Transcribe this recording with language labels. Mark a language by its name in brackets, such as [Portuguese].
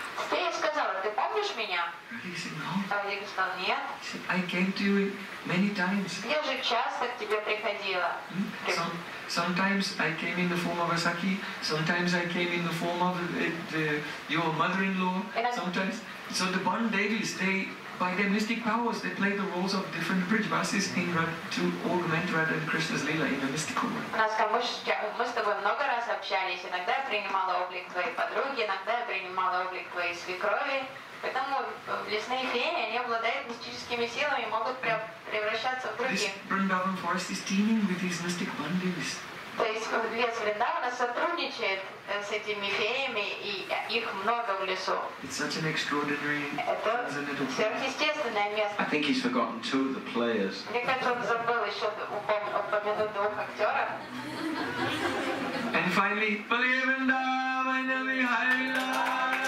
[Russian] Ты сказала, ты помнишь меня? Радика сказала, нет. [English] I came to you many times. [Russian] Я же часто к тебе приходила. [English] Sometimes I came in the form of a Sakhi, sometimes I came in the form of your mother-in-law, sometimes. So the Bon Devis, they, by their mystic powers, they play the roles of different Brijvasis in to augment Radha and Krishna's Leela in a mystical way. [Russian] Мы с тобой много раз общались, иногда я принимала облик твоей подруги, иногда я принимала облик твоей свекрови. Поэтому лесные феи, они обладают мистическими силами, могут превращаться в другие. [English] This Vrindavan forest is teeming with these mystic bandis. [Russian] То есть лес Вриндавана сотрудничает с этими феями, и их много в лесу. [English] It's such an extraordinary, [Russian] это сверхъестественное место. [English] I think he's forgotten two of the players. [Russian] Мне кажется, он забыл еще упомянуть двух актеров. [English] And finally, believe in love, I know you have love.